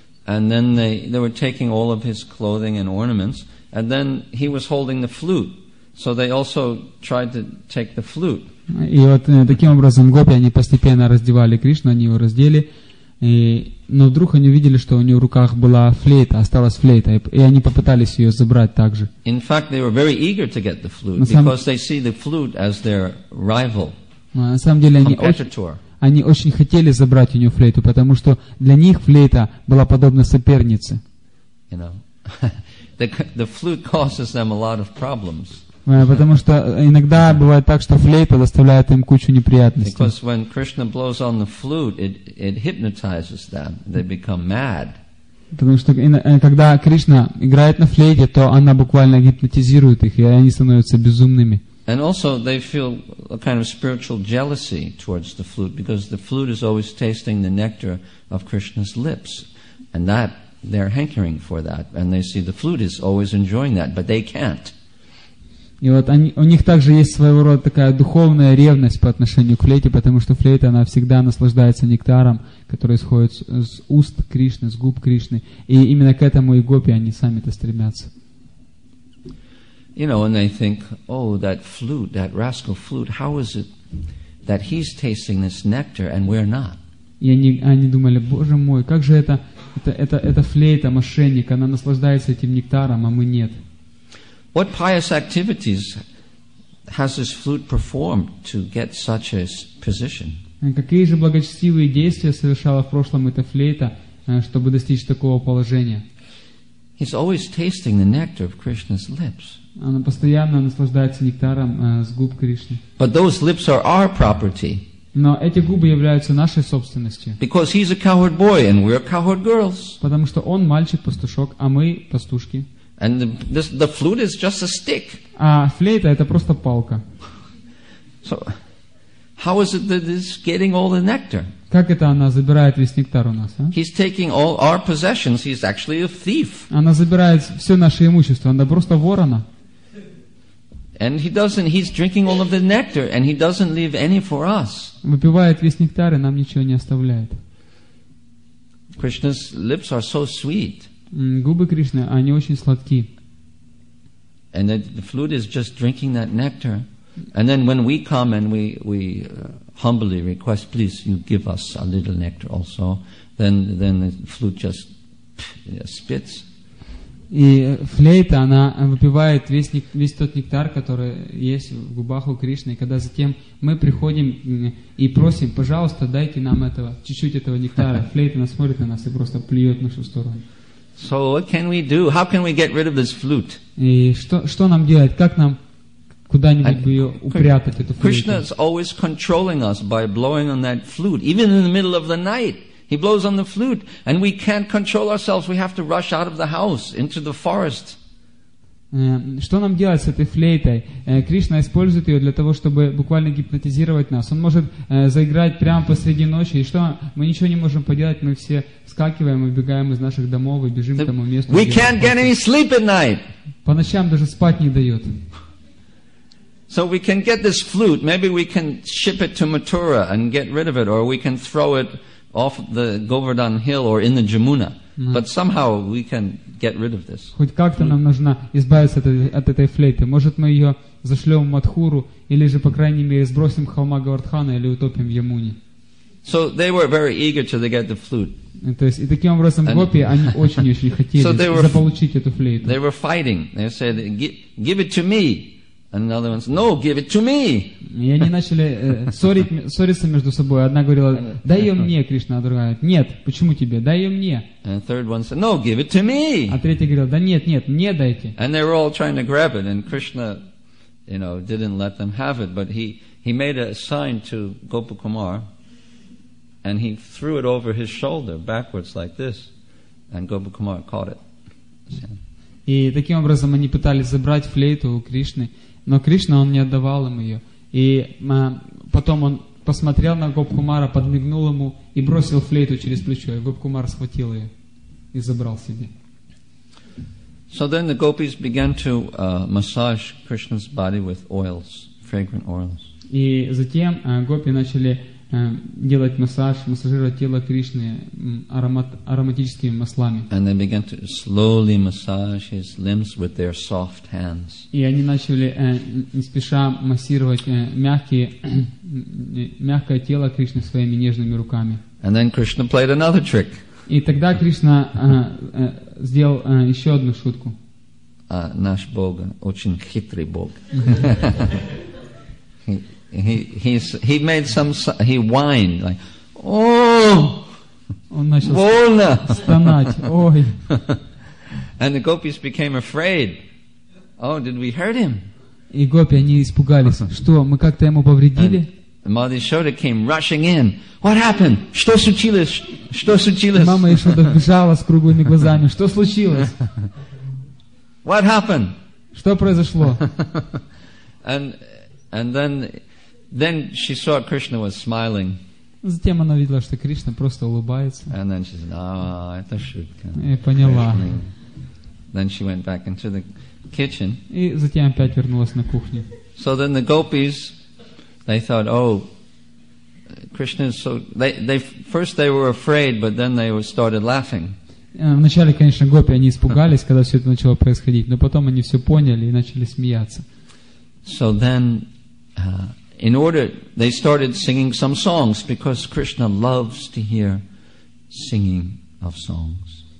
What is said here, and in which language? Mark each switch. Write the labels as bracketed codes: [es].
[en] And then they were taking all of his clothing and ornaments. And then he was holding the flute. So they also tried to take the flute. [ru] И вот таким образом гопи, они постепенно раздевали Кришну, они его раздели. Но вдруг они увидели, что у него в руках была флейта, осталась флейта. И они попытались ее забрать также. [en] In fact, they were very eager to get the flute, because they see the flute as their rival. [ru] На самом деле они они очень хотели забрать у него флейту, потому что для них флейта была подобна сопернице. [en] You know, the flute causes them a lot of problems. [ru] Потому что иногда бывает так, что флейта доставляет им кучу неприятностей. [en] Because when Krishna blows on the flute, it hypnotizes them. They become mad. [ru] Потому что когда Кришна играет на флейте, то она буквально гипнотизирует их, и они становятся безумными. [en] And also they feel a kind of spiritual jealousy towards the flute, because the flute is always tasting the nectar of Krishna's lips. And that they're hankering for that. And they see the flute is always enjoying that, but they can't. [ru] И вот они, у них также есть своего рода такая духовная ревность по отношению к флейте, потому что флейта, она всегда наслаждается нектаром, который исходит с уст Кришны, с губ Кришны. И именно к этому и гопи, они сами-то стремятся. [en] You know, and they think, oh, that flute, that rascal flute, how is it that he's tasting this nectar and we're not? [ru] И они думали, боже мой, как же это флейта, мошенник, она наслаждается этим нектаром, а мы нет. [en] What pious activities has this flute performed to get such a position? [ru] Какие же благочестивые действия совершала в прошлом эта флейта, чтобы достичь такого положения? [en] He's always tasting the nectar of Krishna's lips. [ru] Она постоянно наслаждается нектаром с губ Кришны. [en] But those lips are our property. [ru] Но эти губы являются нашей собственностью. [en] Because he's a coward boy and we're coward girls. [ru] Потому что он мальчик-пастушок, а мы пастушки. [en] And the flute is just a stick. [ru] А флейта это просто палка. [en] So, how is it that it's getting all the nectar? [ru] Как это она забирает весь нектар у нас? А? [en] He's taking all our possessions. He's actually a thief. [ru] Она забирает все наше имущество. Она просто ворона. [en] And he's drinking all of the nectar, and he doesn't leave any for us. [ru] Выпивает весь нектар и нам ничего не оставляет. [en] Krishna's lips are so sweet. [ru] Губы Кришны, они очень сладки. [en] And the flute is just drinking that nectar. And then when we come and we humbly request, please, you give us a little nectar also, then the flute just spits. [ru] И флейта, она выпивает весь тот нектар, который есть в губах у Кришны. И когда затем мы приходим и просим, пожалуйста, дайте нам этого, чуть-чуть этого нектара, флейта она смотрит на нас и просто плюет в нашу сторону. [en] So what can we do? How can we get rid of this flute? [ru] И что нам делать? Как нам куда-нибудь бы ее упрятать, эту флейту? [en] Krishna is always controlling us by blowing on that flute, even in the middle of the night. He blows on the flute, and we can't control ourselves. We have to rush out of the house into the forest. [ru] Что нам делать с этой флейтой? Кришна использует ее для того, чтобы буквально гипнотизировать нас. Он может заиграть прямо посреди ночи, и что? Мы ничего не можем поделать, мы все скакиваем, убегаем из наших домов и бежим к тому месту. [en] We can't get any sleep at night. [ru] По ночам даже спать не дает. [en] So we can get this flute. Maybe we can ship it to Mathura and get rid of it, or we can throw it off the Govardhan Hill or in the Jamuna. But somehow we can get rid of this. [ru] Хоть как-то нам нужно избавиться от этой флейты. Может, мы ее зашлем в Матхуру, или же, по крайней мере, сбросим с холма Говардхана или утопим в Ямуне. [en] So they were very eager to get the flute. [ru] То есть, и таким образом, гопи, они очень-очень хотели заполучить эту флейту. [en] They were fighting. They said, give it to me. And another one said, no, give it to me. [ru] И они начали ссориться между собой. Одна говорила, дай ее мне, Кришна, а другая говорит, нет, почему тебе, дай ее мне. [en] And the third one said, no, give it to me. [ru] А третья говорила, да нет, нет, мне дайте. [en] And they were all trying to grab it, and Krishna, you know, didn't let them have it, but he made a sign to Gopakumar, and he threw it over his shoulder backwards like this, and Gopakumar caught it. [ru] И таким образом они пытались забрать флейту у Кришны, но Кришна, он не отдавал им ее. И потом он посмотрел на Гопкумара, подмигнул ему и бросил флейту через плечо. И Гопкумар схватил ее и забрал себе. [en] So then the gopis began to massage Krishna's body with oils, fragrant oils. [ru] И затем гопи начали делать массаж, массажировать тело Кришны ароматическими маслами. [en] And they began to slowly massage his limbs with their soft hands. [ru] И они начали не спеша массировать мягкое тело Кришны своими нежными руками. [en] And then Krishna played another trick. [ru] И тогда Кришна сделал еще одну шутку. Наш Бог очень хитрый Бог. [en] He whined like, oh, [ru] больно, стонать, ой. [en] And the gopis became afraid. Oh, did we hurt him? [ru] И гопи, они испугались. Что, мы как-то ему повредили? [en] Мама Ишода came rushing in. What happened? [ru] Что случилось? Что случилось? Мама Ишода бежала с круглыми глазами. Что случилось? [en] What happened? [ru] Что произошло? [en] And then she saw Krishna was smiling. [ru] Затем она видела, что Кришна просто улыбается. [en] And then she said, "Oh, [ru] это шутка." И поняла. [en] Then she went back into the kitchen. [ru] И затем опять вернулась на кухню. [en] So then the gopis, they thought, "Oh, Krishna is so..." They were afraid, but then they started laughing. [ru] Вначале, конечно, гопи они испугались, когда все это начало происходить, но потом они все поняли и начали смеяться. [en] So then, in order, they started singing some songs because Krishna loves to hear singing of songs.